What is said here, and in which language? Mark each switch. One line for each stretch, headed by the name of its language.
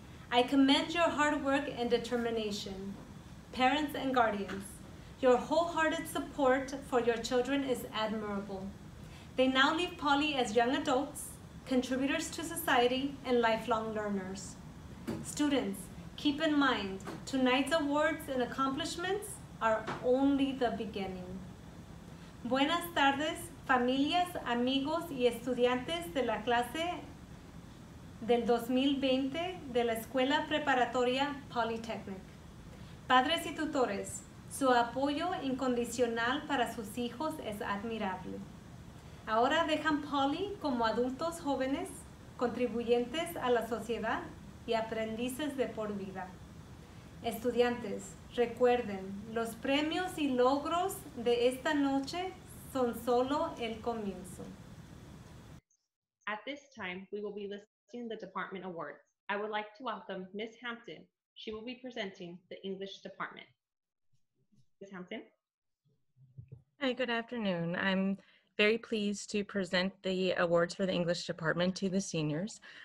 English: I commend your hard work and determination. Parents and guardians, your wholehearted support for your children is admirable. They now leave Poly as young adults, contributors to society, and lifelong learners. Students, keep in mind, tonight's awards and accomplishments are only the beginning.
Spanish: Buenas tardes, familias, amigos y estudiantes de la clase del 2020 de la Escuela Preparatoria Polytechnic. Padres y tutores, su apoyo incondicional para sus hijos es admirable. Ahora dejan Poly como adultos jóvenes, contribuyentes a la sociedad y aprendices de por vida. Estudiantes, recuerden, los premios y logros de esta noche son solo el comienzo.
English: At this time, we will be listing the department awards. I would like to welcome Ms. Hampton. She will be presenting the English department. Ms. Hampton. Hi, good afternoon. I'm very pleased to present the awards for the English department to the seniors.